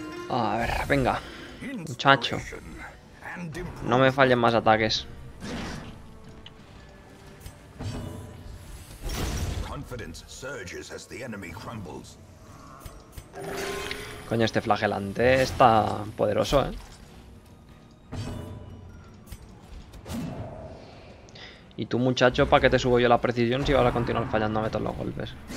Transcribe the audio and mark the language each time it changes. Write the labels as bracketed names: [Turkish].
[Spanish] A ver, venga, muchacho. No me fallen más ataques. [English] Confidence surges as the enemy crumbles. [Spanish] Coño, este flagelante está poderoso, ¿eh? Y tú, muchacho, ¿para qué te subo yo la precisión si vas a continuar fallándome todos los golpes?